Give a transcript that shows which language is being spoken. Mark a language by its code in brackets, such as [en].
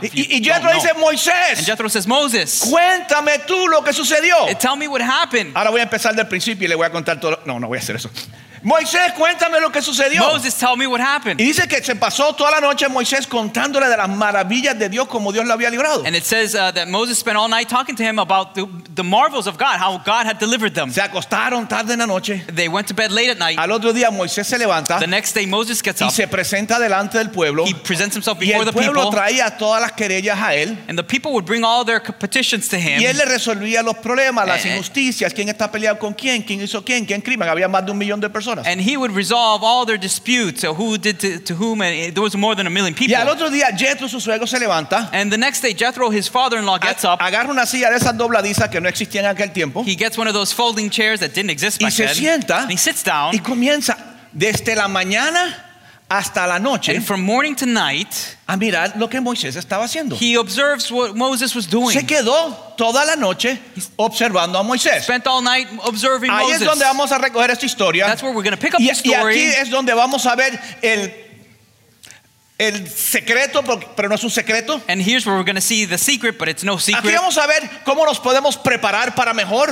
[es] Y Jethro dice, Moisés. [en] And Jethro says, Moses. [es] Cuéntame tú lo que sucedió. [en] Tell me what happened. [es] Ahora voy a empezar del principio y le voy a contar todo. No voy a hacer eso. Moisés, cuéntame lo que sucedió. [en] Moses, tell me what happened. [es] Y dice que se pasó toda la noche Moisés contándole de las maravillas de Dios como Dios lo había librado. [en] And it says that Moses spent all night talking to him about the marvels of God, how God had delivered them. [es] Se acostaron tarde en la noche. [en] They went to bed late at night. [es] Al otro día Moisés se levanta. [en] The next day Moses gets [es] y [en] up. [es] Y se presenta delante del pueblo. [en] He presents himself before the people. [es] Y el pueblo traía todas las querellas a él. [en] And the people would bring all their petitions to him. [es] Y él le resolvía los problemas, las injusticias, quién está peleado con quién, quién hizo quién, quién crimen. Había más de 1,000,000 de personas. personas. [en] And he would resolve all their disputes, who did to whom, and there was more than a million people. [es] Y al otro día, Jethro, su suegro, se levanta. [en] And the next day, Jethro, his father-in-law, gets up. [es] Agarra una silla de esas dobladizas que no existían en aquel tiempo. [en] He gets one of those folding chairs that didn't exist back then. [es] Y se sienta. [en] And he sits down. [es] Y comienza desde la mañana hasta la noche. [en] And from morning to night, [es] a mirar lo que Moisés estaba haciendo. [en] He observes what Moses was doing. [es] Se quedó toda la noche observando a Moisés. [en] Spent all night observing Moses. [es] Ahí es donde vamos a recoger esta historia. [en] That's where we're going to pick up the story. [es] Y aquí es donde vamos a ver el secreto, pero no es un secreto. [en] And here's where we're going to see the secret, but it's no secret. [es] Aquí vamos a ver cómo nos podemos preparar para mejor.